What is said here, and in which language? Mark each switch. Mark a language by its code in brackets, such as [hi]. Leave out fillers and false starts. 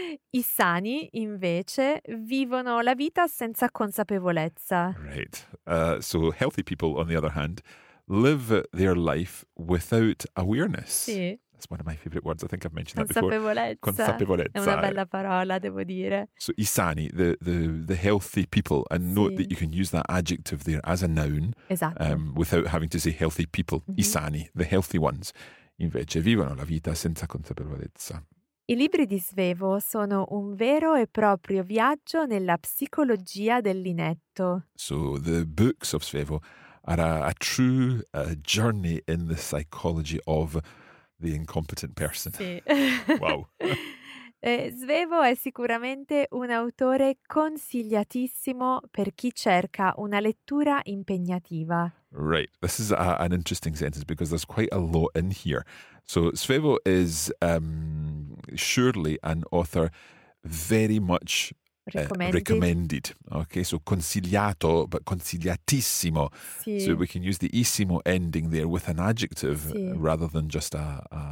[it] I sani, invece, vivono la vita senza consapevolezza. [en] Right. So healthy people, on the other hand, live their life without awareness. [it] Sì. [en] That's one of my favorite words. I think I've mentioned [it] Consapevolezza. È una bella parola, devo dire. [en] So i sani, the healthy people, and note that you can use that adjective there as a noun. [it] Esatto. [en] Without having to say healthy people. Mm-hmm. I sani, the healthy ones. [it] Invece vivono la vita senza consapevolezza. I libri di Svevo sono un vero e proprio viaggio nella psicologia dell'inetto. [en] So the books of Svevo are a true journey in the psychology of the incompetent person. [it] Sì. [en] Wow. [it] Svevo è sicuramente un autore consigliatissimo per chi cerca una lettura impegnativa. [en] Right. This is an interesting sentence because there's quite a lot in here. So Svevo is surely an author very much recommended. Okay, so consigliato, but consigliatissimo. [it] Sì. [en] So we can use the issimo ending there with an adjective rather than just a